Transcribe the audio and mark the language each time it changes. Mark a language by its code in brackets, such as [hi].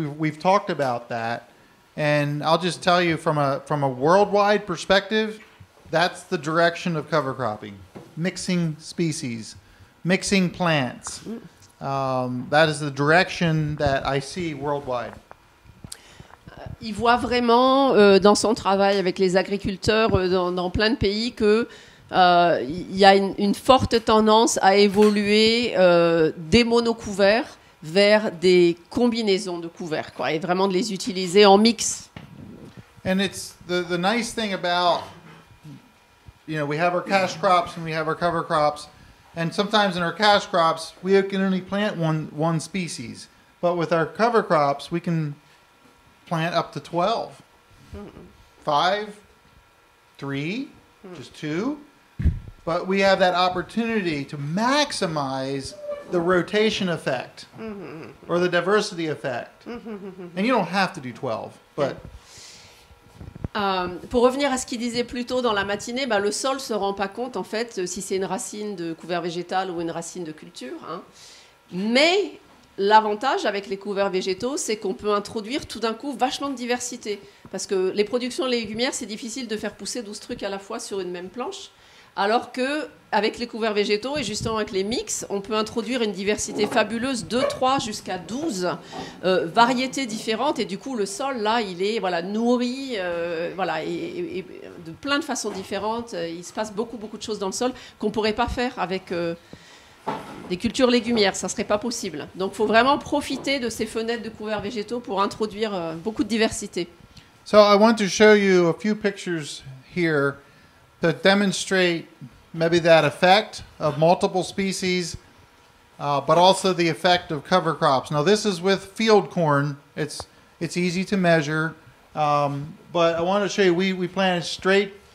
[en] We've talked about that. And I'll just tell you from a worldwide perspective, that's the direction of cover cropping. Mixing species, mixing plants. That is the direction that I see worldwide. [fr] Il voit vraiment dans son travail avec les agriculteurs dans plein de pays que il y a une forte tendance à évoluer des monocouverts vers des combinaisons de couverts, quoi, et vraiment de les utiliser en mix. [en] And it's the nice thing about, you know, we have our cash crops and we have our cover crops, and sometimes in our cash crops we can only plant one species, but with our cover crops we can plant up to 12, 5, 3, just 2. But we have that opportunity to maximize the rotation effect or the diversity effect. And you don't have to do 12, but... [fr] Pour revenir à ce qu'il disait plus tôt dans la matinée, bah, le sol ne se rend pas compte, en fait, si c'est une racine de couvert végétal ou une racine de culture. Hein. Mais l'avantage avec les couverts végétaux, c'est qu'on peut introduire tout d'un coup vachement de diversité. Parce que les productions légumières, c'est difficile de faire pousser 12 trucs à la fois sur une même planche. Alors qu'avec les couverts végétaux et justement avec les mix, on peut introduire une diversité fabuleuse, 2, 3 jusqu'à 12 variétés différentes. Et du coup, le sol, là, il est voilà, nourri voilà, et de plein de façons différentes. Il se passe beaucoup, beaucoup de choses dans le sol qu'on ne pourrait pas faire avec des cultures légumières. Ça ne serait pas possible. Donc, il faut vraiment profiter de ces fenêtres de couverts végétaux pour introduire beaucoup de diversité. [en] So, I want to show you a few pictures here to demonstrate maybe that effect of multiple species, but also the effect of cover crops. Now, this is with field corn. It's easy to measure, but I want to show you, we planted straight.